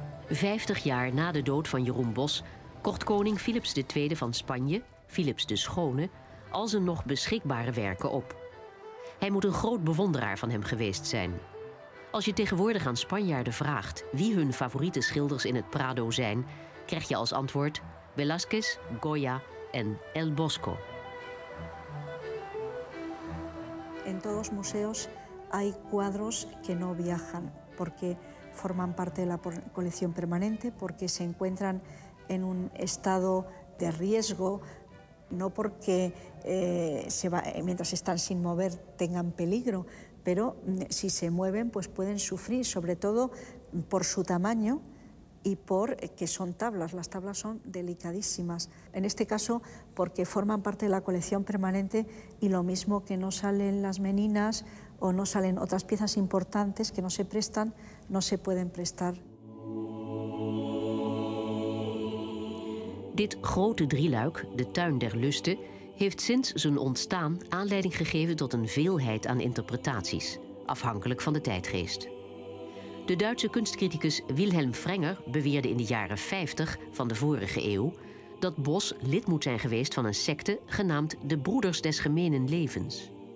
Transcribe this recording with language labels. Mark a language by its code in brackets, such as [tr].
[nl] 50 jaar na de dood van Jeroen Bos kocht koning Philips II van Spanje, Philips de Schone, al zijn nog beschikbare werken op. Hij moet een groot bewonderaar van hem geweest zijn. Als je tegenwoordig aan Spanjaarden vraagt wie hun favoriete schilders in het Prado zijn, krijg je als antwoord Velázquez, Goya en El Bosco. [es] En todos museos hay cuadros que no viajan porque forman parte de la colección permanente, porque se encuentran en un estado de riesgo, no porque mientras están sin mover tengan peligro, pero si se mueven pues pueden sufrir, sobre todo por su tamaño. Y porque son tablas, las tablas son delicadísimas. En este caso, porque forman parte de la colección permanente y lo mismo que no salen las meninas o no salen otras piezas importantes que no se prestan, no se pueden prestar. [nl] Dit grote drieluik, de tuin der lusten, heeft sinds zijn ontstaan aanleiding gegeven tot een veelheid aan interpretaties, afhankelijk van de tijdgeest. De Duitse kunstcriticus Wilhelm Frenger beweerde in de jaren 50 van de vorige eeuw dat Bos lid moet zijn geweest van een sekte genaamd de Broeders des Gemenen Levens.